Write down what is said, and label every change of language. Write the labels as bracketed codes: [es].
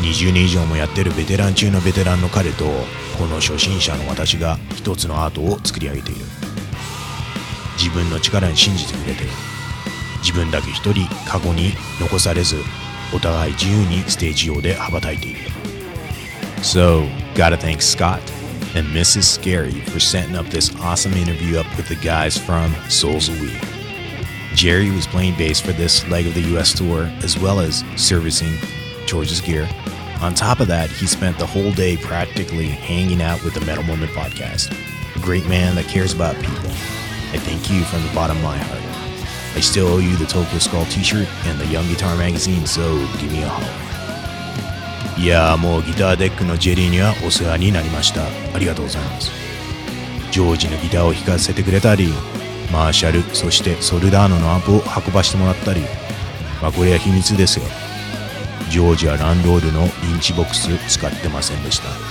[ja] 20年以上もやってるベテラン中のベテランの彼とこの初心者の私が一つのアートを作り上げている。自分の力に信じてくれて、自分だけ一人過去に残されず、お互い自由にステージ上で羽ばたいている。 [en] So, gotta thank Scott and Mrs. Scary for setting up this awesome interview up with the guys from Souls of Wii. Jerry was playing bass for this leg of the US tour as well as servicing George's gear. On top of that, he spent the whole day practically hanging out with the Metal Moment podcast. A great man that cares about people. I thank you from the bottom of my heart. I still owe you the Tokyo Skull t-shirt and the Young Guitar magazine, so give me a holler. [ja] いやー、もうギターデックのジェリーにはお世話になりました。ありがとうございます。ジョージのギターを弾かせてくれたり、マーシャル、そしてソルダーノのアンプを運ばしてもらったり、まあこれは秘密ですよ。ジョージはランドールのリンチボックス使ってませんでした。